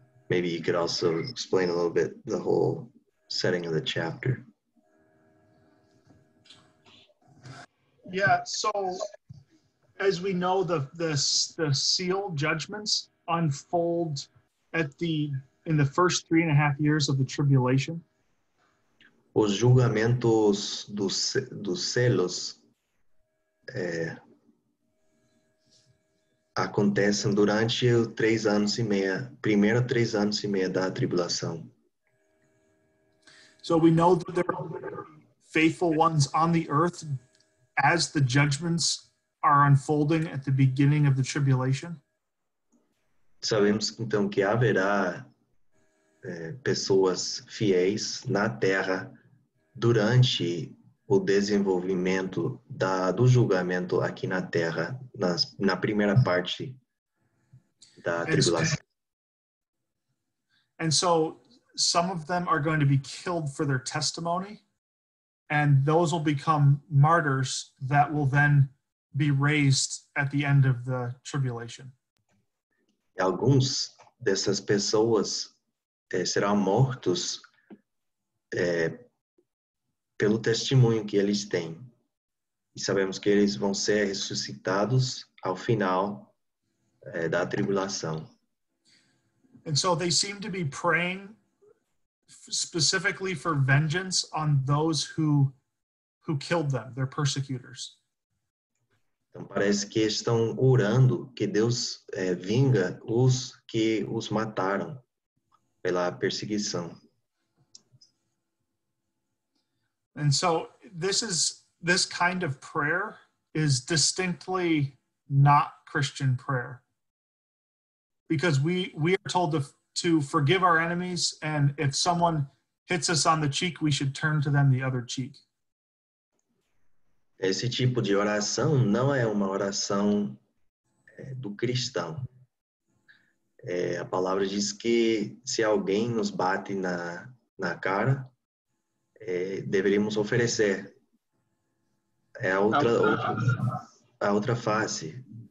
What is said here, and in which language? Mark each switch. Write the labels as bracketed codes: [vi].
[en] Maybe you could also explain a little bit the whole setting of the chapter. Yeah, so as we know, the seal judgments unfold in the first 3.5 years of the tribulation. [pt] Os julgamentos dos selos acontecem durante os 3 anos e meio da tribulação. [en] So we know that there are faithful ones on the earth as the judgments are unfolding at the beginning of the tribulation. [pt] Sabemos então que haverá pessoas fiéis na terra durante o desenvolvimento do julgamento aqui na terra, na primeira parte da tribulação. [en] And so some of them are going to be killed for their testimony, and those will become martyrs that will then be raised at the end of the tribulation. [pt] Alguns dessas pessoas serão mortos pelo testemunho que eles têm. E sabemos que eles vão ser ressuscitados ao final da tribulação. [en] And so they seem to be praying specifically for vengeance on those who killed them, their persecutors. [pt] Então parece que estão orando que Deus vinga os que os mataram pela perseguição. [en] And so this kind of prayer is distinctly not Christian prayer. Because we are told to forgive our enemies, and if someone hits us on the cheek, we should turn to them the other cheek. [pt] Esse tipo de oração não é uma oração do cristão. A palavra diz que se alguém nos bate na cara, deveríamos oferecer a outra face.